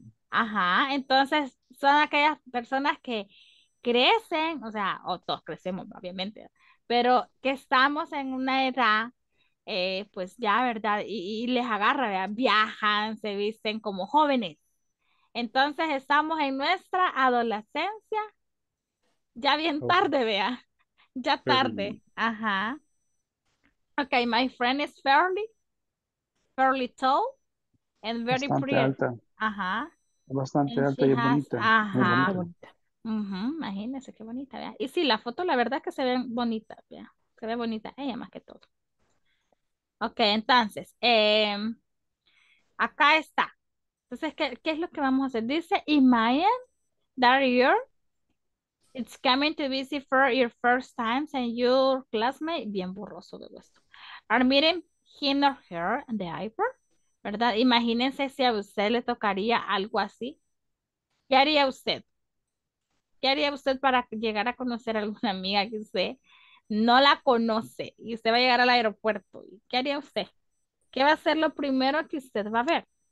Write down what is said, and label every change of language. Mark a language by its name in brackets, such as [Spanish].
[Spanish] Ajá, entonces son aquellas personas que crecen, o sea, o todos crecemos obviamente, pero que estamos en una edad, pues ya, ¿verdad? Y les agarra, ¿verdad? Viajan, se visten como jóvenes. Entonces estamos en nuestra adolescencia, ya bien tarde, vea, ya tarde, ajá. [English] Okay, my friend is fairly tall and very [Spanish] bastante [English] pretty. [Spanish] Alta. Ajá. Bastante alta y bonita. Ajá. Imagínese qué bonita, ¿vea? Y sí, la foto, la verdad es que se ve bonita, ¿vea? Se ve bonita ella más que todo. Ok, entonces, acá está. Entonces, ¿qué es lo que vamos a hacer? [English] Dice, imagine that you're, it's coming to visit for your first time and your classmate, [Spanish] bien borroso de gusto, [English] are meeting him or her in the airport, ¿verdad? [Spanish] Imagínense si a usted le tocaría algo así. ¿Qué haría usted? ¿Qué haría usted para llegar a conocer a alguna amiga que usted no la conoce y usted va a llegar al aeropuerto? ¿Qué haría usted? ¿Qué va a ser lo primero que usted va a ver?